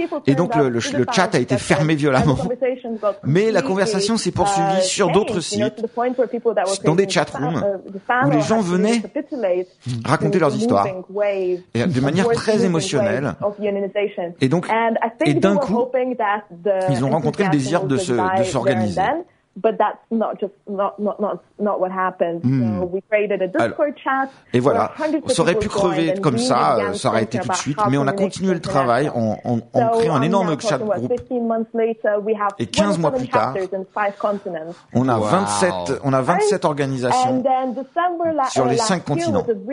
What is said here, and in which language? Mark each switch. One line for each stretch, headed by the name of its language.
French: Et donc, le chat a été fermé violemment. Mais la conversation s'est poursuivie sur d'autres sites, dans des chat rooms, où les gens venaient raconter leurs histoires de manière très émotionnelle. Et donc, et d'un coup, ils ont rencontré le désir de s'organiser.
English: But that's not what happened. So we created a Discord chat.
French: Et voilà, on aurait pu crever comme ça, ça aurait été tout de suite, mais on a continué le travail en créant un énorme chat groupe. Et 15 mois plus tard, on a 27 organisations sur les 5 continents.